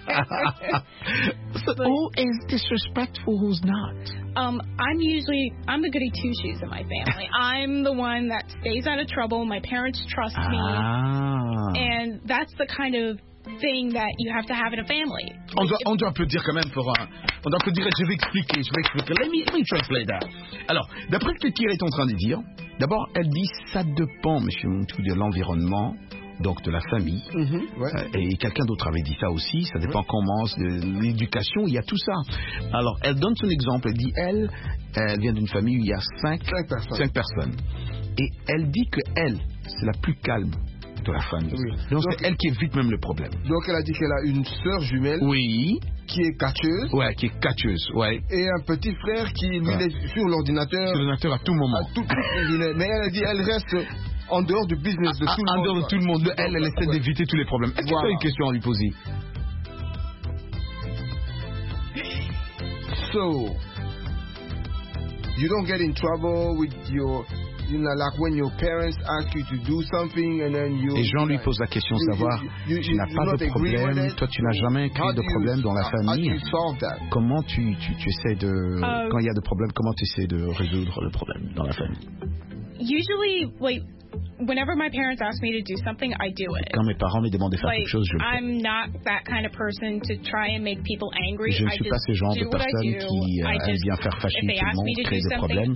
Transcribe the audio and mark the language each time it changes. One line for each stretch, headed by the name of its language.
English: So but, who is disrespectful, who's not? I'm the goody two-shoes in my family. I'm the one that stays out of trouble. My parents trust me. And that's the kind of thing that you have to have in a family.
French: On doit applaudir quand même pour un... On doit applaudir, je vais expliquer.
English: Let me translate that.
French: Alors, d'après ce que Kira est en train de dire, d'abord, elle dit ça dépend, monsieur Montou, de l'environnement, donc de la famille. Mm-hmm, ouais. Et quelqu'un d'autre avait dit ça aussi, ça dépend ouais. Comment, de l'éducation, il y a tout ça. Alors, elle donne son exemple, elle dit, elle vient d'une famille où il y a cinq personnes. Et elle dit qu'elle, c'est la plus calme de la famille. Oui. Donc c'est elle qui évite même le problème. Donc elle a dit qu'elle a une sœur jumelle. Oui. Qui est catcheuse. Ouais, qui est catcheuse, ouais. Et un petit frère qui ouais. Est sur l'ordinateur. Sur l'ordinateur à tout moment. Mais elle a dit qu'elle reste en dehors du business de tout le monde. En dehors de tout le monde. Elle essaie d'éviter ouais. Tous les problèmes. Est-ce que tu as une question à lui poser?
English: So, you don't get in trouble with your... You know, like when your parents ask you to do something and then you...
French: Et Jean lui pose la question, savoir, tu n'as pas de problème, toi tu n'as jamais créé de problème dans la famille. Comment tu essaies de... Quand il y a de problèmes, comment tu essaies de résoudre le problème dans la famille?
English: Usually, whenever my parents ask me to do something, I do it.
French: Quand mes parents me demandent de faire quelque chose, je le fais.
English: I'm not that kind of person to try and make people angry.
French: Je ne suis pas ce genre de personne qui aime bien faire fâcher tout le monde, créer des problèmes.